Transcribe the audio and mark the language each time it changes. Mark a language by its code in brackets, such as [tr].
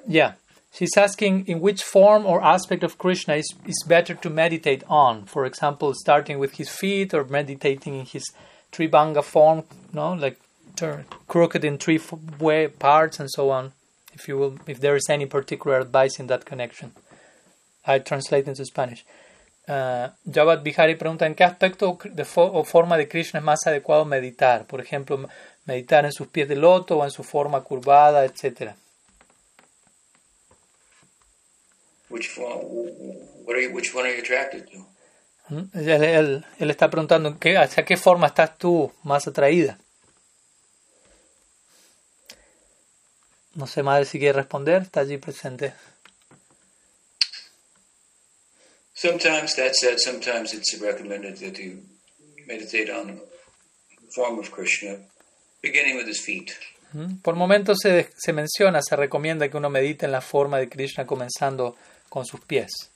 [en] Yeah. She's asking in which form or aspect of Krishna is better to meditate on. For example, starting with his feet or meditating in his tribhanga form, no, like crooked in three way parts and so on. If you will, if there is any particular advice in that connection. I translate into Spanish. [es] Jabat Bihari pregunta, ¿en qué aspecto o forma de Krishna es más adecuado meditar? Por ejemplo, meditar en sus pies de loto o en su forma curvada, etc. [en] Which one are you attracted to? [es] Él está preguntando, ¿hacia qué forma estás tú más atraída? No sé, madre, si quiere responder, está allí presente. [en] Sometimes that's said, sometimes it's recommended that you meditate on the form of Krishna, beginning with his feet. [es] Por momentos se menciona, se recomienda que uno medite en la forma de Krishna comenzando con sus pies.